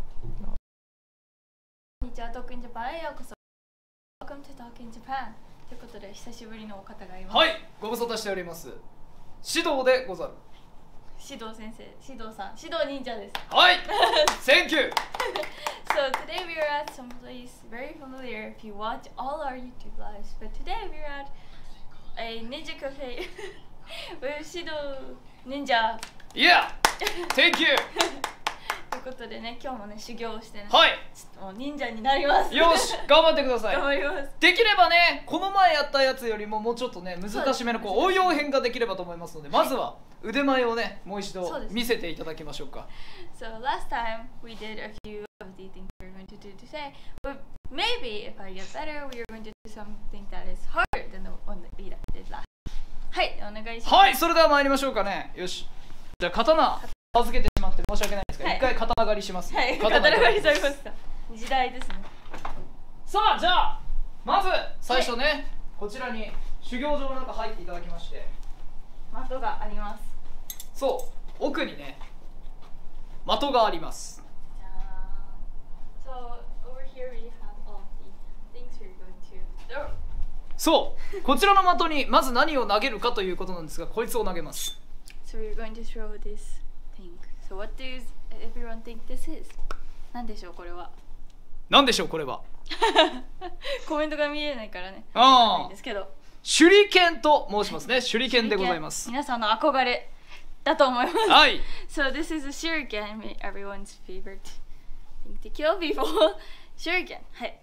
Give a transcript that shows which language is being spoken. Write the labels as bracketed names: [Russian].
[Japanese] トークインジャパンへようこそ。 [English] Welcome to Talk in Japan [Japanese] ということで、久しぶりのお方がいます。はい、ご無沙汰しております、シドウでござる。シドウ先生、シドウさん、シドウ忍者です。 [English] はい、Thank you! So today we are at some place very familiar if you watch all our YouTube lives, but today we are at a ninja cafe with シドウ忍者。 Yeah! Thank you! [Japanese] ということでね、今日もね、修行をしてね、はい、ちょっともう忍者になります。よし、頑張ってください。頑張ります。できればね、この前やったやつよりももうちょっとね、難しめのこう応用編ができればと思いますので、まずは腕前をね、もう一度見せていただきましょうか。 [English] そう、ね、So last time we did a few of the things we're going to do today, but maybe if I get better, we're going to do something that is harder than the one that we did last. [Japanese] はい、お願いします。はい、それでは参りましょうかね。よし、じゃあ刀預けてしまって申し訳ないですが、はい、一回刀狩りします。はい、刀狩りされました。時代ですね。さあ、じゃあまず最初ね、はい、こちらに修行場の中入っていただきまして、的があります。そう、奥にね、的があります。 [English] じゃあ、So over here we have all the things we're going to throw. [Japanese] そう、こちらの的にまず何を投げるかということなんですが、こいつを投げます。 [English] So we're going to throw this thing. So what do you, everyone think this is? [Japanese] 何でしょう、これは。何でしょう、これは。コメントが見えないからね。ああ。ですけど。手裏剣と申しますね。手裏剣でございます。皆さんの憧れだと思います。はい。 [English] So this is a shuriken, everyone's favorite thing to kill before. Shuriken. はい。